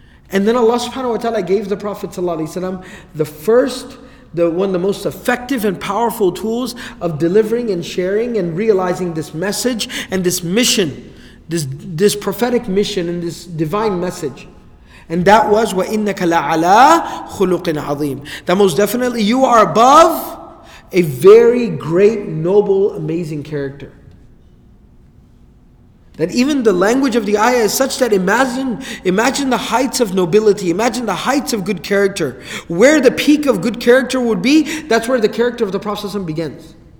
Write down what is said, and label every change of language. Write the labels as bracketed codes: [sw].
[en] And then Allah subhanahu wa ta'ala gave the Prophet the first, the one of the most effective and powerful tools of delivering and sharing and realizing this message and this mission, this prophetic mission and this divine message. And that was, [ar] وَإِنَّكَ لَعَلَىٰ خُلُقٍ عَظِيمٍ. [en] That most definitely you are above a very great, noble, amazing character. That even the language of the ayah is such that imagine the heights of nobility, imagine the heights of good character. Where the peak of good character would be, that's where the character of the Prophet ﷺ begins.